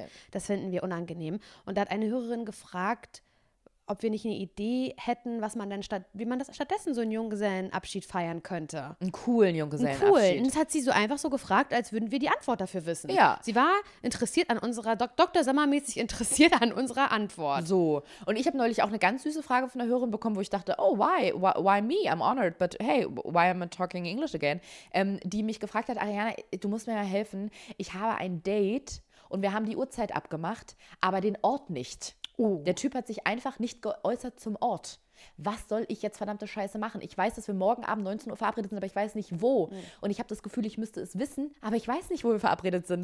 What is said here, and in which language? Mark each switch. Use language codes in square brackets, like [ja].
[de] Das finden wir unangenehm. Und da hat eine Hörerin gefragt, ob wir nicht eine Idee hätten, wie man das stattdessen so einen Junggesellenabschied feiern könnte. Einen coolen Junggesellenabschied. Einen coolen. Das hat sie so einfach so gefragt, als würden wir die Antwort dafür wissen. Ja. Sie war interessiert an unserer, Dr. Sommermäßig interessiert an unserer Antwort. So. Und ich habe neulich auch eine ganz süße Frage von einer Hörerin bekommen, wo ich dachte, oh, [en] why me? I'm honored, but hey, why am I talking English again? [de] Die mich gefragt hat, Ariana, du musst mir mal helfen. Ich habe ein Date und wir haben die Uhrzeit abgemacht, aber den Ort nicht. Oh. Der Typ hat sich einfach nicht geäußert zum Ort. Was soll ich jetzt verdammte Scheiße machen? Ich weiß, dass wir morgen Abend 19 Uhr verabredet sind, aber ich weiß nicht, wo. Mhm. Und ich habe das Gefühl, ich müsste es wissen, aber ich weiß nicht, wo wir verabredet sind.